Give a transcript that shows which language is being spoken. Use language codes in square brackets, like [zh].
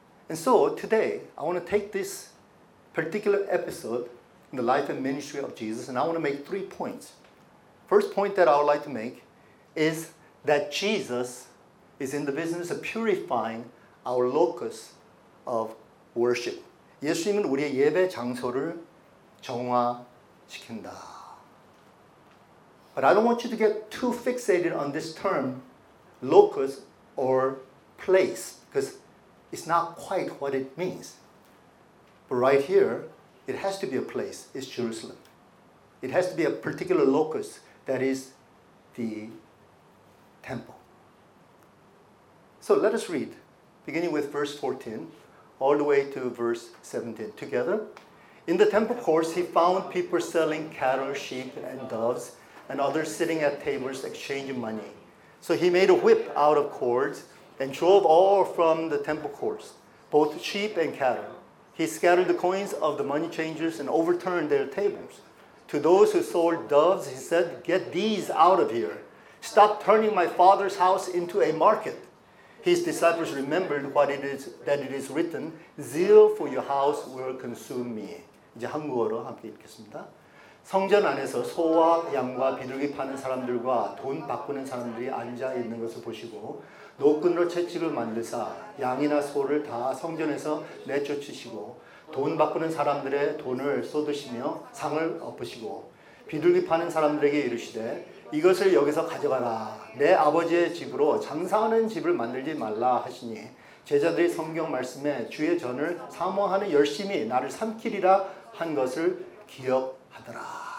[en] And so today, I want to take this particular episode in the life and ministry of Jesus, and I want to make three points. First point that I would like to make is that Jesus is in the business of purifying our locus of worship. [ko] 예수님은 우리의 예배 장소를 정화시킨다. [en] But I don't want you to get too fixated on this term, locus or place, because it's not quite what it means. But right here, it has to be a place. It's Jerusalem. It has to be a particular locus that is the temple. So let us read, beginning with verse 14, all the way to verse 17 together. In the temple courts, he found people selling cattle, sheep, and doves, and others sitting at tables exchanging money. So he made a whip out of cords and drove all from the temple courts, both sheep and cattle. He scattered the coins of the money changers and overturned their tables. To those who sold doves, he said, "Get these out of here. Stop turning my father's house into a market." His disciples remembered what it is that it is written, "Zeal for your house will consume me." [ko] 이제 한국어로 함께 읽겠습니다. 성전 안에서 소와 양과 비둘기 파는 사람들과 돈 바꾸는 사람들이 앉아 있는 것을 보시고 노끈으로 채찍을 만들사 양이나 소를 다 성전에서 내쫓으시고 돈 바꾸는 사람들의 돈을 쏟으시며 상을 엎으시고 비둘기 파는 사람들에게 이르시되 이것을 여기서 가져가라 내 아버지의 집으로 장사하는 집을 만들지 말라 하시니 제자들이 성경 말씀에 주의 전을 사모하는 열심이 나를 삼키리라 한 것을 기억하더라.